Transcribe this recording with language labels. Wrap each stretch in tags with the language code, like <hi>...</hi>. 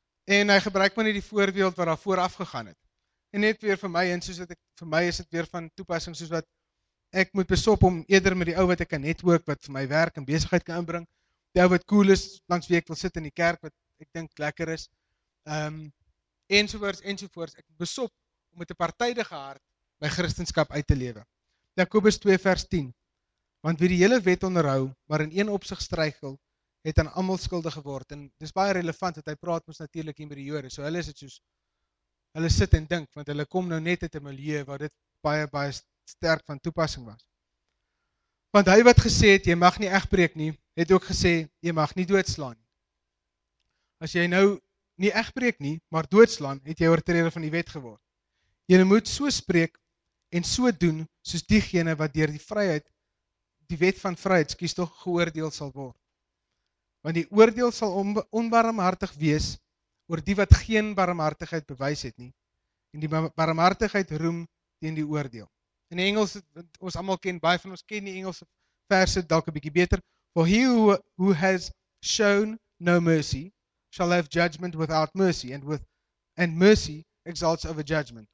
<af>En hy gebruik maar net die voorbeeld wat daar vooraf gegaan het. En net weer vir my en soos dat ek vir my is dit weer van toepassing soos wat ek moet besop om eerder met die ou wat ek kan netwerk wat vir my werk en besigheid kan inbring, die ou wat cool is langs wie ek wil sit in die kerk wat ek dink lekker is. Ensovoorts. Ek besop om met 'n partydige hart my Christendom uit te lewe. Jakobus 2 vers 10. Want wie die hele wet onderhou, maar in een opsig struikel, het aan almal skuldig geword. En dis baie relevant dat hy praat mos natuurlik hier met die Jode. So hulle is dit soos hulle sit en dink, want hulle kom nou net uit 'n milieu waar dit baie baie sterk van toepassing was. Want hy wat gesê het jy mag nie egbreek nie, het ook gesê jy mag nie doodslaan. As jy nou nie egbreek nie, maar doodslaan, het jy oortreder van die wet geword. Jy moet so spreek en so doen soos diegene wat deur die vryheid die wet van vryheid skies tog geoordeel sal word. Want die oordeel sal onbarmhartig wees oor die wat geen barmhartigheid bewys het nie en die barmhartigheid roem teen die oordeel. In die Engels ons almal ken, baie van ons ken die Engelse verse dalk 'n bietjie beter.</af> <en>For he who has shown no mercy shall have judgment without mercy and mercy exalts over judgment.</en>